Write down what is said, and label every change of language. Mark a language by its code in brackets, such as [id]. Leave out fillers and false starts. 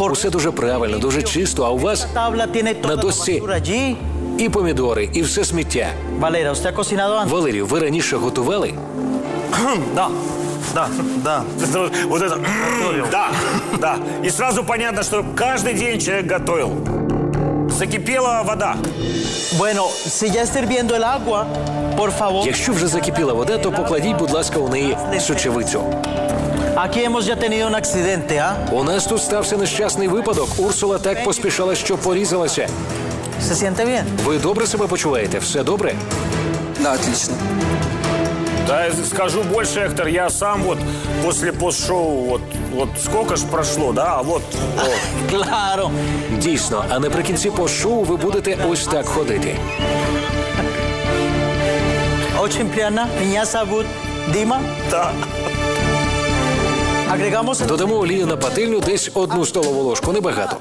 [uk] Усе дуже правильно, дуже чисто, а у вас на досці і помідори, і все сміття. Валерія, ви готували? Валерію, ви раніше готували? [ru] Да. Да, да. Вот это. Да, да. [uk] І [ru] сразу понятно, [uk] що кожен день чоловік готував. [ru] Закипела вода. [es] Bueno, si ya está hirviendo el agua, por favor. [uk] Якщо вже закипіла вода, то покладіть, будь ласка, у неї сочевицю. [es] Aquí hemos ya tenido un accidente, ¿ah? [uk] У нас тут стався нещасний випадок. Урсула так поспішала, що порізалася. [es] Se siente bien? [uk] Ви добре себе почуваєте? Все добре? [ru] Да, отлично. Да, скажу больше, Гектор, я сам вот после постшоу, вот сколько ж прошло, да, вот. [es] Claro. [uk] Дійсно, а наприкінці постшоу ви будете ось так ходити. [ru] Очень приятно, меня зовут Дима. Да. [es] Агрегамос... [uk] Додамо олію на пательню десь одну столову ложку, небагато.